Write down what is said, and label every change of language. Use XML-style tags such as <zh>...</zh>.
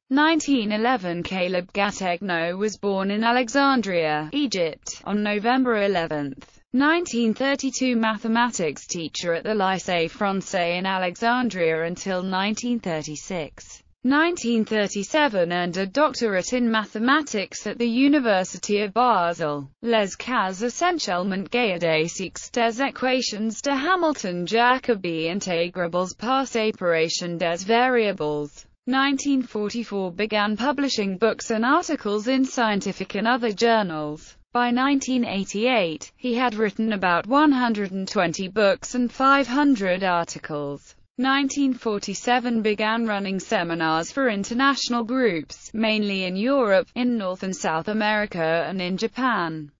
<en>1911. Caleb Gattegno was born in Alexandria, Egypt, on November 11. 1932. Mathematics teacher at the Lycée Français in Alexandria until 1936. 1937. Earned a doctorate in mathematics at the University of Basel.</en> <fr>Les cas essentiellement géodésiques des équations de Hamilton Jacobi intégrables par séparation des variables.</fr> <en>1944. Began publishing books and articles in scientific and other journals. By 1988, he had written about 120 books and 500 articles. 1947. Began running seminars for international groups, mainly in Europe, in North and South America, and in Japan.</en>